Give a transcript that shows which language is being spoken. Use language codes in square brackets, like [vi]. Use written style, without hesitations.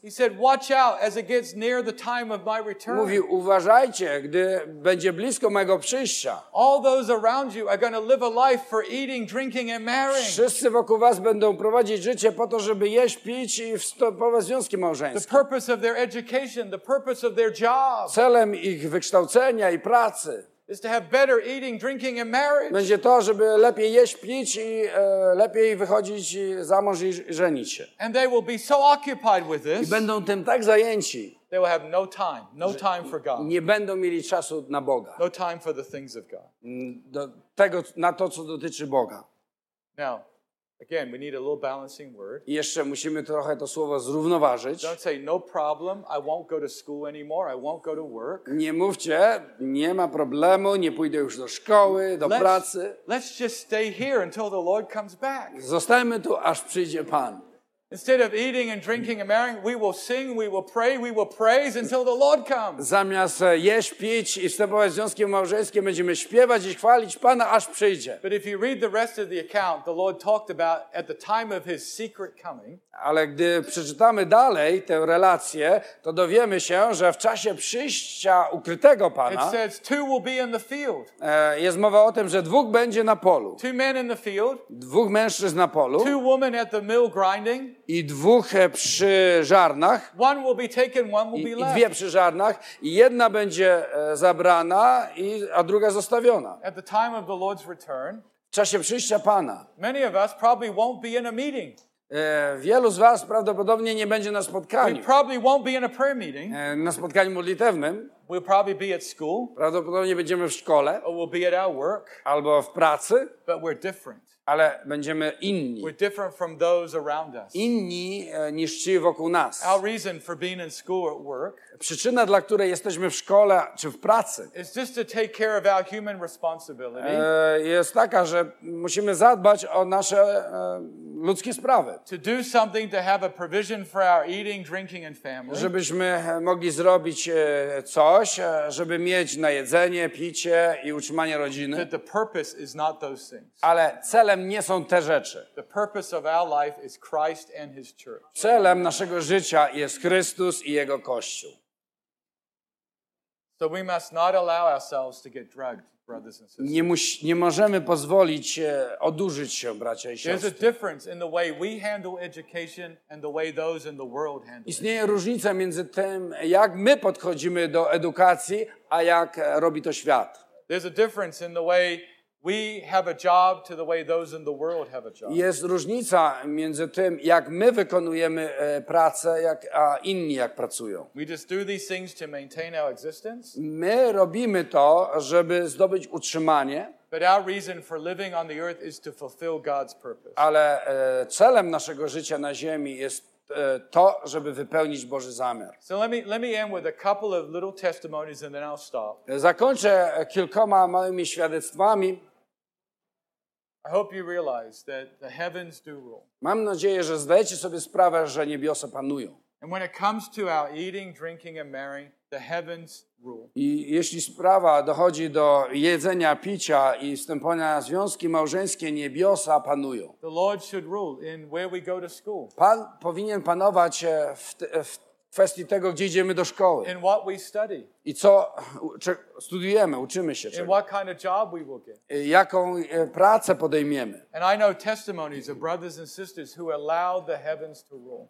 [en] He said, "Watch out as it gets near the time of my return." [pl] Mówił, uważajcie, gdy będzie blisko mojego przyjścia. [en] All those around you are going to live a life for eating, drinking, and marrying. [pl] Wszyscy wokół was będą prowadzić życie po to, żeby jeść, pić i wstępować w związki małżeńskie. [en] The purpose of their education, the purpose of their job. [pl] Celem ich wykształcenia i pracy. [en] Is to have better eating, drinking and marriage. [pl] Będzie to, żeby lepiej jeść, pić i lepiej wychodzić za mąż i żenić się. [en] And they will be so occupied with this. [pl] I będą tym tak zajęci. [en] They will have no time for God. [pl] Nie będą mieli czasu na Boga. [en] No time for the things of God. [pl] Do tego, na to, co dotyczy Boga. [en] Now, Again, we need a little balancing word. [pl] Jeszcze musimy trochę to słowo zrównoważyć. [en] Don't say no problem, I won't go to school anymore, I won't go to work. [pl] Nie mówcie, nie ma problemu, nie pójdę już do szkoły, do pracy. [en] Let's just stay here until the Lord comes back. [pl] Zostańmy tu, aż przyjdzie Pan. [en] Instead of eating and drinking and marrying, we will sing, we will praise until the Lord comes. [pl] Zamiast jeść, pić i wstępować w związki małżeńskie, będziemy śpiewać i chwalić Pana, aż przyjdzie. [en] But if you read the rest of the account, the Lord talked about at the time of his secret coming. [pl] Ale gdy przeczytamy dalej tę relację, to dowiemy się, że w czasie przyjścia ukrytego Pana, [en] it says two will be in the field. [pl] Jest mowa o tym, że dwóch będzie na polu. [en] Two men in the field. [pl] Dwóch mężczyzn na polu. [en] Two women at the mill grinding. [pl] I dwóch przy żarnach. [en] One will be taken, one will be left. [pl] I dwie przy żarnach. I jedna będzie zabrana, a druga zostawiona. [en] At the time of the Lord's return, [pl] w czasie przyjścia Pana. [en] Many of us probably won't be in a meeting. [pl] Wielu z was prawdopodobnie nie będzie na spotkaniu. [en] We probably won't be in a prayer meeting. [pl] Na spotkaniu modlitewnym. [en] We'll probably be at school. [pl] Prawdopodobnie będziemy w szkole. [en] Or we'll be at our work. [pl] Albo w pracy. [en] But we're different. [pl] Ale będziemy inni. [en] We're different from those around us. [pl] Inni niż ci wokół nas. [en] Our reason for being in school or at work. [pl] Przyczyna, dla której jesteśmy w szkole czy w pracy. [en] Is just to take care of our human responsibility. [pl] Jest taka, że musimy zadbać o nasze ludzkie sprawy. [en] To do something to have a provision for our eating, drinking and family. [pl] Żebyśmy mogli zrobić coś, żeby mieć na jedzenie, picie i utrzymanie rodziny. [en] But the purpose is not those things. [pl] Ale celem nie są te rzeczy. [en] The purpose of our life is Christ and his church. [pl] Celem naszego życia jest Chrystus i jego Kościół. [en] So we must not allow ourselves to get drugged, brothers and sisters. [pl] Nie możemy pozwolić odurzyć się, bracia i siostry. [en] There's a difference in the way we handle education and the way those in the world handle it. [pl] Istnieje różnica między tym, jak my podchodzimy do edukacji, a jak robi to świat. [en] There's a difference in the way we have a job to the way those in the world have a job. [pl] Jest różnica między tym, jak my wykonujemy pracę, a inni jak pracują. [en] We just do these things to maintain our existence. [pl] My robimy to, żeby zdobyć utrzymanie. [en] But our reason for living on the earth is to fulfill God's purpose. [pl] Ale celem naszego życia na ziemi jest to, żeby wypełnić Boży zamiar. [en] So let me end with a couple of little testimonies and then I'll stop. [pl] Zakończę kilkoma małymi świadectwami. [en] I hope you realize that the heavens do rule. [pl] Mam nadzieję, że zdajecie sobie sprawę, że niebiosa panują. [en] And when it comes to our eating, drinking and marrying, the heavens rule. [pl] I jeśli sprawa dochodzi do jedzenia, picia i wstępowania w związki małżeńskie, niebiosa panują. [en] The Lord should rule in where we go to school. [pl] Pan powinien panować w kwestii tego, gdzie idziemy do szkoły. [en] In what we study. [pl] I co studiujemy, uczymy się czego. [en] In what kind of job we will get. [pl] Jaką pracę podejmiemy. [en] And I know testimonies of brothers and sisters who allowed the heavens to rule.